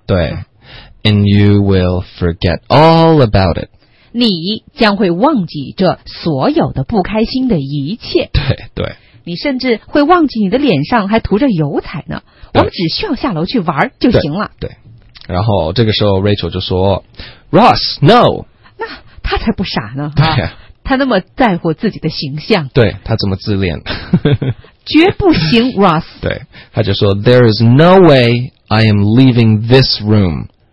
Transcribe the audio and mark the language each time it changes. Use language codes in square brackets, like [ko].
[en] 对 ，And you will forget all about it. [zh] 你将会忘记这所有的不开心的一切。对对，你甚至会忘记你的脸上还涂着油彩呢。我们只需要下楼去玩就行了。对，对，然后这个时候 Rachel 就说 ：“Ross, no。” 那他才不傻呢。对、他那么在乎自己的形象。对，他这么自恋。绝不行 ，Ross。对，他就说 [en] ：“There is no way I am leaving this room.”